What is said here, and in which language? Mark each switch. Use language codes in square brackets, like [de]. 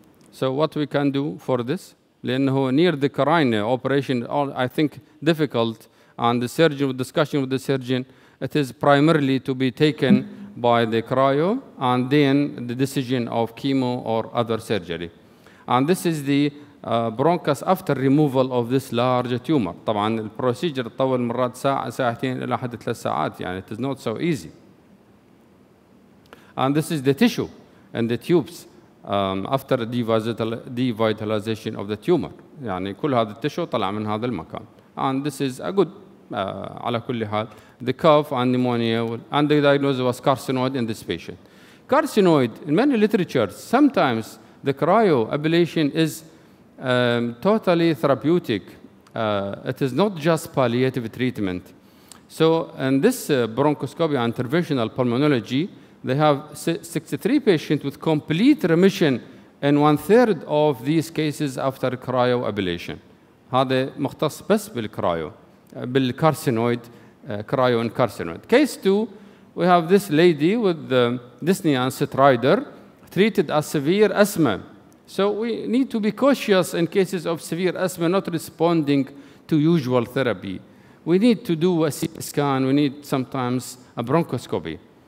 [en] So what we can do for this? [ar] لأنه [en] near the carina operation, I think difficult, and the surgeon, discussion with the surgeon, it is primarily to be taken by the cryo, and then the decision of chemo or other surgery. And this is the bronchus after removal of this large tumor. [ar] طبعا البروسيجر تطول مرات ساعة ساعتين إلى حد ثلاث ساعات. [en] يعني it is not so easy. And this is the tissue and the tubes after devitalization of the tumor. [ar] يعني كل هذا التشو طلع من هذا المكان. [en] And this is a good [ar] على كل حال [en] the cough and pneumonia and the diagnosis was carcinoid in this patient. Carcinoid in many literatures sometimes the cryoablation is totally therapeutic. It is not just palliative treatment. So in this bronchoscopy interventional pulmonology, they have 63 patients with complete remission in 1/3 of these cases after cryoablation. [ar] هذا مختص بس بالكرايو بالكارسينويد كرايو ان كارسينويد. [en] Case 2, we have this lady with dyspnea and strider treated as severe asthma. So we need to be cautious in cases of severe asthma not responding to usual therapy. We need to do a CT scan. We need sometimes a bronchoscopy.